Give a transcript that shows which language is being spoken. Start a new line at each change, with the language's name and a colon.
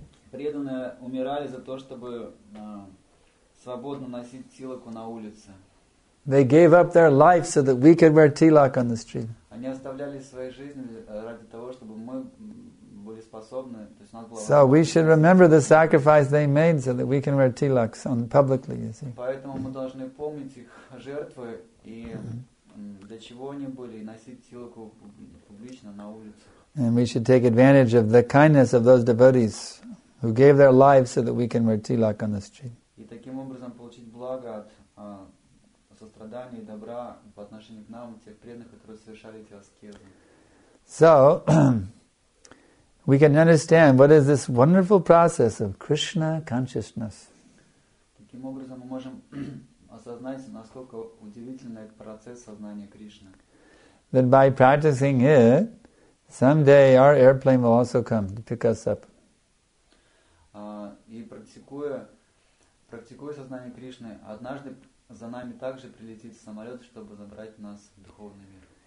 Russian: Преданные умирали за то, чтобы свободно носить тилаку на улице.
English: They gave up their life so that we could wear tilak on the street.
Russian: Они оставляли свои жизни ради того, чтобы мы были способны, то есть у нас была.
English: So we should remember the sacrifice they made so that we can wear tilaks on publicly, you see.
Russian: Поэтому мы должны помнить их жертвы и для чего они были, и носить тилаку публично на улицах.
English: And we should take advantage of the kindness of those devotees who gave their lives so that we can wear tilak on the street.
Russian: И таким образом получить благо от сострадания и добра по отношению к нам, тех преданных, которые совершали эти аскезы.
English: So, we can understand what is this wonderful process of Krishna consciousness.
Russian: Таким образом мы можем осознать, насколько удивительный этот процесс сознания Кришны.
English: Then by practicing it, someday our airplane will also come to pick us up.
Russian: И практикуя сознание Кришны, однажды за нами также прилетит самолет, чтобы забрать нас в духовный мир.